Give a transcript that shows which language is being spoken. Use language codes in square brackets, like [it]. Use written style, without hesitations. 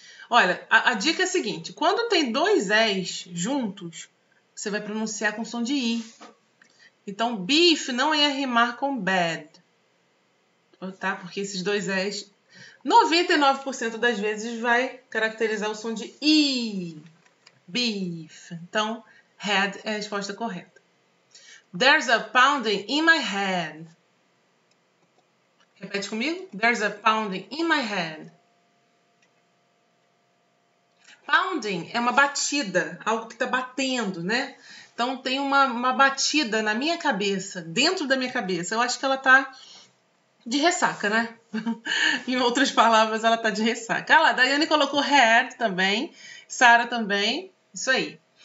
[pt] Olha, a dica é a seguinte: quando tem dois S juntos, você vai pronunciar com som de I. Então, beef não ia rimar com bad, tá? Porque esses dois S, 99% das vezes vai caracterizar o som de I. Beef. Então, head é a resposta correta. [en] There's a pounding in my head. [pt] Repete comigo. [en] There's a pounding in my head. [pt] Pounding é uma batida, algo que está batendo, né? Então, tem uma batida na minha cabeça, dentro da minha cabeça. Eu acho que ela tá de ressaca, né? Em outras palavras, ela tá de ressaca. Ah lá, Daiane colocou head também, Sara também. Isso aí.